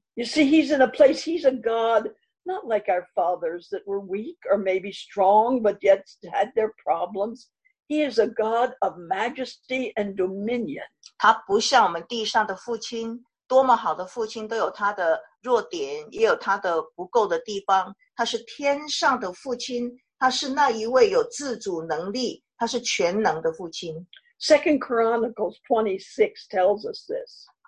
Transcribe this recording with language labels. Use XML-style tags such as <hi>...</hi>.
<en>You see, he's in a place, he's a God, not like our fathers that were weak or maybe strong, but yet had their problems. He is a God of majesty and dominion.</en> <zh>他不像我们地上的父亲，多么好的父亲都有他的弱点，也有他的不够的地方。他是天上的父亲，他是那一位有自主能力，他是全能的父亲。</zh> <en>Second Chronicles 26 tells us this.</en>